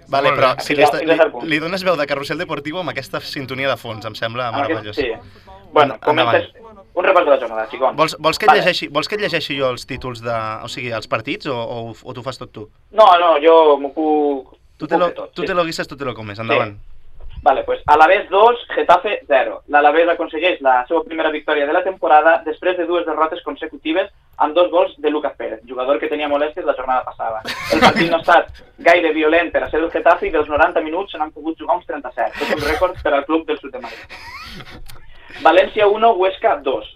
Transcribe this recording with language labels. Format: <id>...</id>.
<ca>Vale, però si li dones veu de Carrusel Deportivo amb aquesta sintonia de fons, em sembla meravellós. Sí. Bueno, comences un repàs de la jornada, xicón. Vols que et llegeixi jo els títols de... O sigui, els partits, o t'ho fas tot tu? No, jo m'ho puc...</ca> <es>Tu te lo guises, tu te lo comes, endavant.</es> <ca>Sí. Vale, pues Alavés 2, Getafe 0. L'Alavés aconsegueix la seva primera victòria de la temporada després de dues derrotes consecutives amb dos gols de Lucas Pérez, jugador que tenia molèsties la jornada passada. El partit no ha estat gaire violent per a ser el Getafe i dels 90 minuts se n'han pogut jugar uns 37. Tot un rècord per al club del sud de Madrid. València 1, Huesca 2.</ca>